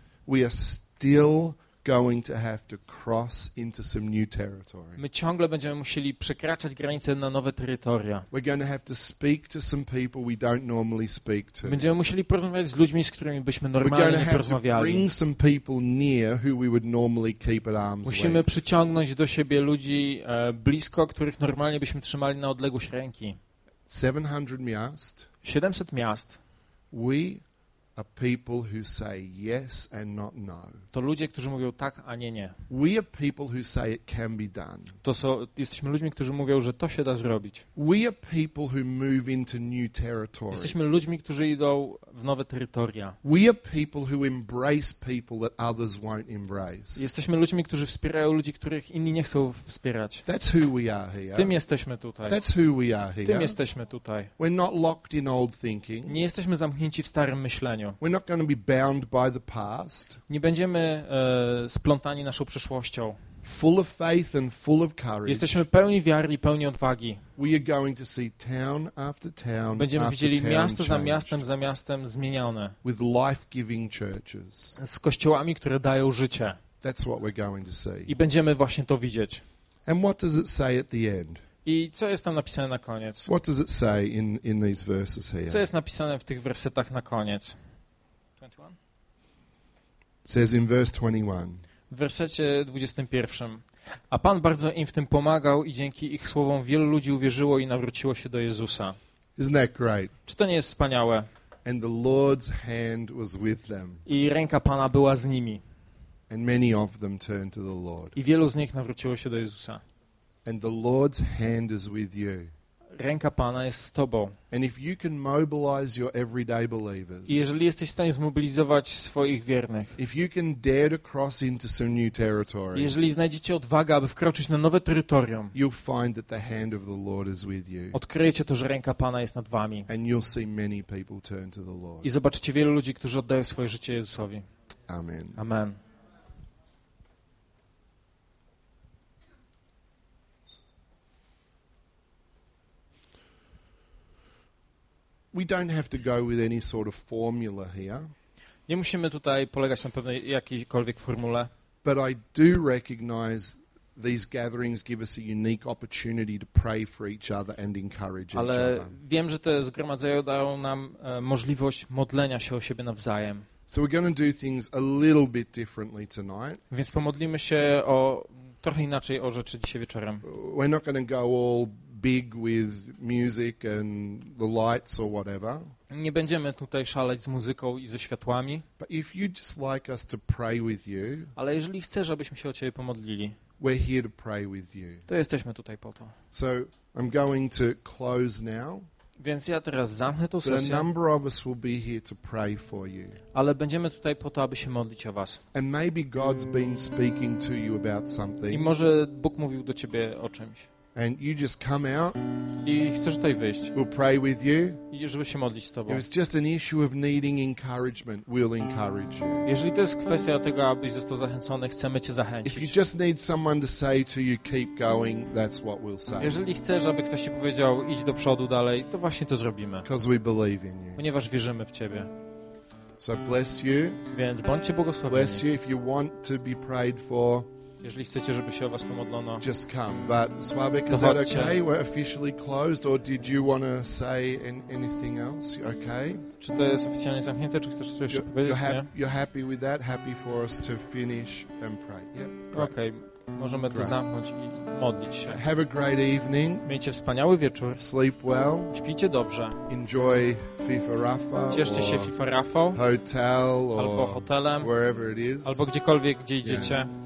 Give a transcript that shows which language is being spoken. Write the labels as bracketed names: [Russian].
[English] we are still going to have to cross into some new territory. [Polish] My ciągle będziemy musieli przekraczać granice na nowe terytoria. [English] We're going to have to speak to some people we don't normally speak to. [Polish] Będziemy musieli porozmawiać z ludźmi, z którymi byśmy normalnie nie porozmawiali. [English] We're going to have to bring some people near who we would normally keep at arm's length. [Polish] Musimy przyciągnąć do siebie ludzi blisko, których normalnie byśmy trzymali na odległość ręki. 700 miast. 700 miast. [English] We are people who say yes and not no. [Polish] To ludzie, którzy mówią tak, a nie nie. [English] We are people who say it can be done. [Polish] To są, jesteśmy ludźmi, którzy mówią, że to się da zrobić. [English] We are people who move into new territory. [Polish] Jesteśmy ludźmi, którzy idą w nowe terytoria. [English] We are people who embrace people that others won't embrace. [Polish] Jesteśmy ludźmi, którzy wspierają ludzi, których inni nie chcą wspierać. [English] That's who we are here. [Polish] Tym jesteśmy tutaj. [English] That's who we are here. [Polish] Tym jesteśmy tutaj. [English] We're not locked in old thinking. [Polish] Nie jesteśmy zamknięci w starym myśleniu. [English] We're not going to be bound by the past. [Polish] Nie będziemy splątani naszą przeszłością. [English] Full of faith and full of courage. [Polish] Jesteśmy pełni wiary i pełni odwagi. [English] We are going to see town after town. [Polish] Będziemy widzieli [English] town [Polish] miasto [English] changed. [Polish] Za miastem zmienione. [English] With life-giving churches. [Polish] Z kościołami, które dają życie. [English] That's what we're going to see. [Polish] I będziemy właśnie to widzieć. [English] And what does it say at the end? [Polish] I co jest tam napisane na koniec? [English] What does it say in these verses here? [Polish] Co jest napisane w tych wersetach na koniec? [English] 21? It says in verse 21. [Polish] W wersecie 21. A Pan bardzo im w tym pomagał i dzięki ich słowom wielu ludzi uwierzyło i nawróciło się do Jezusa. [English] Isn't that great? [Polish] Czy to nie jest wspaniałe? [English] And the Lord's hand was with them. [Polish] I ręka Pana była z nimi. [English] And many of them turned to the Lord. [Polish] I wielu z nich nawróciło się do Jezusa. [English] And the Lord's hand is with you. [Polish] Ręka Pana jest z tobą. [English] And if you can mobilize your everyday believers. [Polish] I jeżeli jesteś w stanie zmobilizować swoich wiernych. [English] If you can dare to cross into some new territory. [Polish] Jeżeli znajdziecie odwagę, aby wkroczyć na nowe terytorium. [English] You'll find that the hand of the Lord is with you. [Polish] Odkryjecie to, że ręka Pana jest nad wami. [English] And you'll see many people turn to the Lord. [Polish] I zobaczycie wielu ludzi, którzy oddają swoje życie Jezusowi. Amen. Amen. [English] We don't have to go with any sort of formula here. [Polish] Nie musimy tutaj polegać na pewnej jakiejkolwiek formule. [English] But I do recognize these gatherings give us a unique opportunity to pray for each other and encourage [Polish] Ale [English] each other. [Polish] Ale wiem, że te zgromadzenia dają nam możliwość modlenia się o siebie nawzajem. [English] So we're going to do things a little bit differently tonight. [Polish] Więc pomodlimy się o trochę inaczej o rzeczy dzisiaj wieczorem. [English] We're not going to go all big with music and the lights or whatever. [Polish] Nie będziemy tutaj szaleć z muzyką i ze światłami. [English] But if you just like us to pray with you. [Polish] Ale jeżeli chcesz, żebyśmy się o ciebie pomodlili. [English] We're here to pray with you. [Polish] To jesteśmy tutaj po to. [English] So I'm going to close now. [Polish] Więc ja teraz zamknę tą sesję. [English] But a number of us will be here to pray for you. [Polish] Ale będziemy tutaj po to, aby się modlić o was. [English] And maybe God's been speaking to you about something. [Polish] I może Bóg mówił do ciebie o czymś. [English] And you just come out. [Polish] I chcesz tutaj wyjść. [English] We'll pray with you. [Polish] I żeby się modlić z tobą. [English] If it's just an issue of needing encouragement, we'll encourage you. [Polish] Jeżeli to jest kwestia tego, abyś został zachęcony, chcemy cię zachęcić. [English] If you just need someone to say to you, keep going, that's what we'll say. [Polish] Jeżeli chcesz, aby ktoś ci powiedział, idź do przodu dalej, to właśnie to zrobimy. [English] Because we believe in you. [Polish] Ponieważ wierzymy w ciebie. [English] So bless you. [Polish] Więc bądźcie błogosławieni. [English] Bless you if you want to be prayed for. [Polish] Jeżeli chcecie, żeby się o was pomodlono. [English] Just come. But Sławek, is that okay? We're officially closed, or did you want to say anything else? Okay? [Polish] Czy to jest oficjalnie zamknięte, czy chcesz coś jeszcze powiedzieć? [English] You're happy with that? Happy for us to finish and pray. Yep. Okay. [Polish] Możemy to zamknąć i modlić się. [English] Have a great evening. [Polish] Miejcie wspaniały wieczór. [English] Sleep well. [Polish] Śpijcie dobrze. [English] Enjoy FIFA Rafa. [Polish] Cieszcie się FIFA Rafą. [English] Hotel or [Polish] albo hotelem. [English] Wherever it is. [Polish] Albo gdziekolwiek, gdzie idziecie.